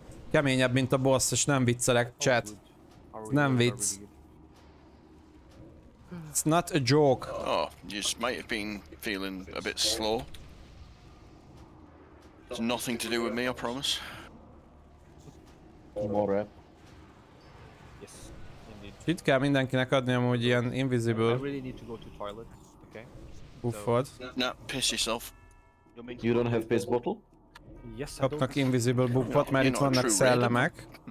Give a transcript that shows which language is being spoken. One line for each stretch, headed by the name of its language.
Hungarian: Keményebb, mint a boss, és nem viccelek, chat. Nem vicc.
English: It's not a joke. Oh, you just might have been feeling a bit slow. It's nothing to do with me, I promise. More rep. Yes, indeed.
Hungarian: Itt kell mindenkinek adni amúgy ilyen invisible.
English: I really need to go to toilet, okay?
Hungarian: Buffod.
English: Nah, piss yourself. You don't have piss bottle? Yes,
Hungarian: kapnak invisible buffot, mert itt vannak szellemek.